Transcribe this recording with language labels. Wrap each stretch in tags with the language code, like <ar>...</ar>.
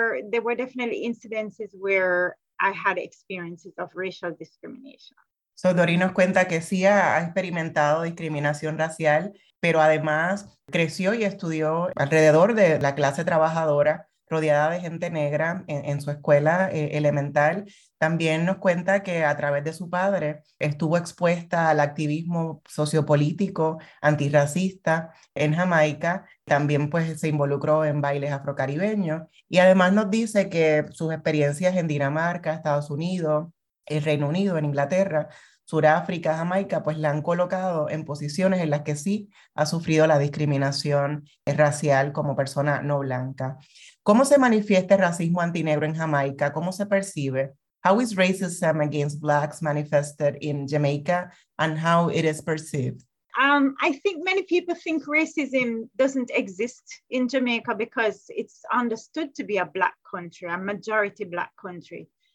<en>There were definitely incidences where I had experiences of racial discrimination.</en> <es>So Dori nos cuenta que sí ha experimentado discriminación racial, pero además creció y estudió alrededor de la clase trabajadora, rodeada de gente negra en su escuela elemental. También nos cuenta que a través de su padre estuvo expuesta al activismo sociopolítico antirracista en Jamaica. También pues se involucró en bailes afrocaribeños. Y además nos dice que sus experiencias en Dinamarca, Estados Unidos, el Reino Unido, en Inglaterra, Suráfrica, Jamaica, pues la han colocado en posiciones en las que sí ha sufrido la discriminación racial como persona no blanca. ¿Cómo se manifiesta el racismo antinegro en Jamaica? ¿Cómo se percibe?</es> <en>How is racism against blacks manifested in Jamaica and how it is perceived? I think many people think racism doesn't exist in Jamaica because it's understood to be a black country, a majority black country.</en>